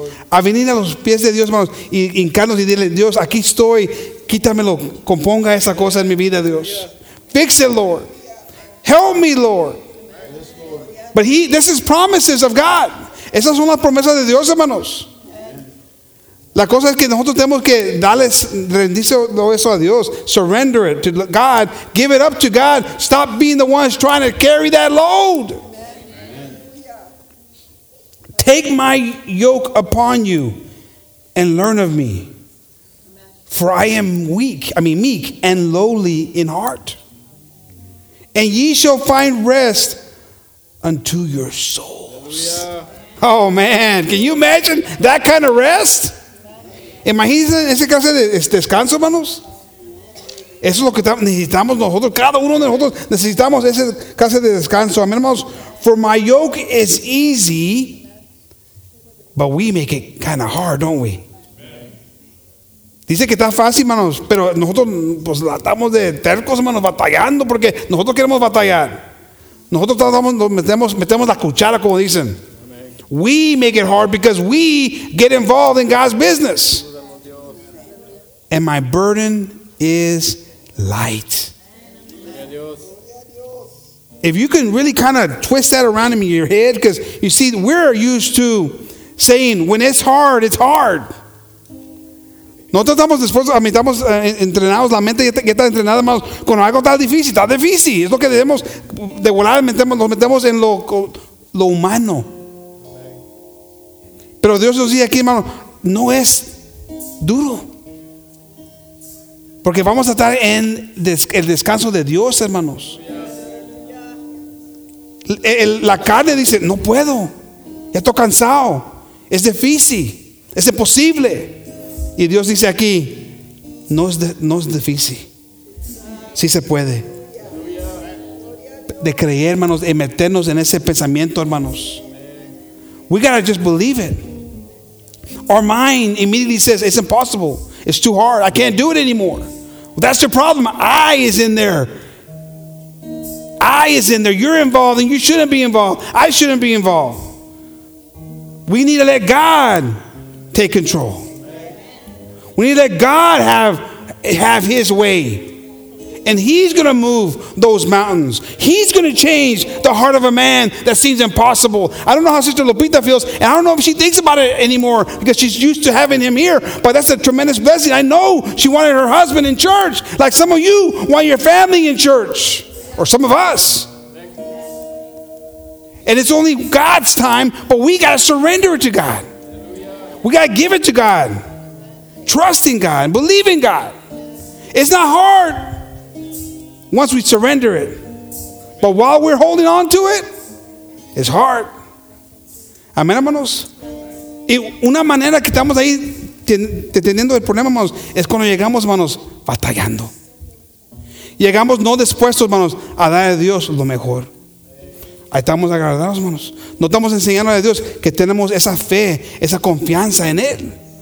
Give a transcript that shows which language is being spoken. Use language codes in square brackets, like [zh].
[es] A venir a los pies de Dios, hermanos, y hincarnos y decirle, Dios, aquí estoy, quítamelo, componga esa cosa en mi vida, Dios. [en] Fix it, Lord. Help me, Lord. But this is promises of God. [es] Esas son las promesas de Dios, hermanos. La cosa es que nosotros tenemos que darles, rendirse todo eso a Dios. [en] Surrender it to God. Give it up to God. Stop being the ones trying to carry that load. Take my yoke upon you and learn of me. For I am meek and lowly in heart. And ye shall find rest unto your souls. Oh man, can you imagine that kind of rest? [es] Imagínense ese caso de descanso, hermanos. Eso es lo que necesitamos nosotros. Cada uno de nosotros necesitamos ese caso de descanso. Amén, hermanos. [en] For my yoke is easy, but we make it kind of hard, don't we? [es] Dice que está fácil, hermanos, pero nosotros pues la estamos de tercos, hermanos, batallando porque nosotros queremos batallar. Nosotros metemos la cuchara, como dicen. Amen. [en] We make it hard because we get involved in God's business. And my burden is light. If you can really kind of twist that around in your head, because you see, we're used to saying, when it's hard, it's hard. [es] Nosotros estamos dispuestos, estamos entrenados, la mente ya está entrenada, más cuando algo está difícil, es lo que debemos, de volar, nos metemos en lo humano. Pero Dios nos dice aquí, hermano, no es duro. Porque vamos a estar en el descanso de Dios, hermanos. La carne dice, no puedo, ya estoy cansado, es difícil, es imposible. Y Dios dice aquí, no es difícil, sí se puede. De creer, hermanos, de meternos en ese pensamiento, hermanos. [en] We gotta just believe it. Our mind immediately says, it's impossible, it's too hard, I can't do it anymore. Well, that's the problem, I is in there, you're involved and you shouldn't be involved, I shouldn't be involved. We need to let God take control. We need to let God have his way. And he's going to move those mountains. He's going to change the heart of a man that seems impossible. I don't know how Sister Lupita feels, and I don't know if she thinks about it anymore because she's used to having him here, but that's a tremendous blessing. I know she wanted her husband in church, like some of you want your family in church, or some of us. And it's only God's time, but we got to surrender it to God. We got to give it to God. Trust in God. Believe in God. It's not hard once we surrender it. But while we're holding on to it, it's hard. [es] Amén, hermanos. Y una manera que estamos ahí teniendo el problema, hermanos, es cuando llegamos, hermanos, batallando. Llegamos no dispuestos, hermanos, a dar a Dios lo mejor. Ahí estamos agradados, hermanos. No estamos enseñando a Dios que tenemos esa fe, esa confianza en Él.